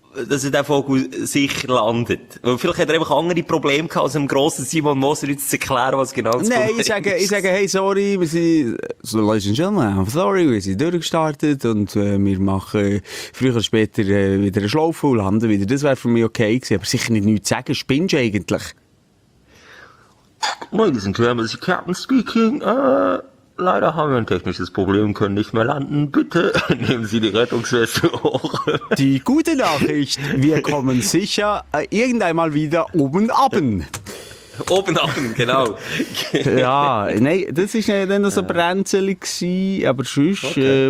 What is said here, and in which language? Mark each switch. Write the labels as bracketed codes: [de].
[de] Dass er den Vogel sicher landet. Weil vielleicht hat er einfach andere Probleme gehabt, als einem grossen Simon Moser jetzt zu erklären, was genau das Problem ist. Nein, ich sage, hey, sorry, wir sind, [en] ladies and gentlemen, [de] sorry, wir sind durchgestartet und wir machen früher oder später wieder eine Schlaufe und landen wieder. Das wäre für mich okay gewesen, aber sicher nicht nichts zu sagen. Spinnst du eigentlich? [en] Ladies and gentlemen, this is Captain speaking. [de] Leider haben wir ein technisches Problem, können nicht mehr landen. Bitte nehmen Sie die Rettungsweste hoch. Die gute Nachricht, wir kommen sicher irgendeinmal wieder oben abend. Oben abend, genau. Ja, nein, das war nicht dann so ein Brenzelig, aber sonst okay.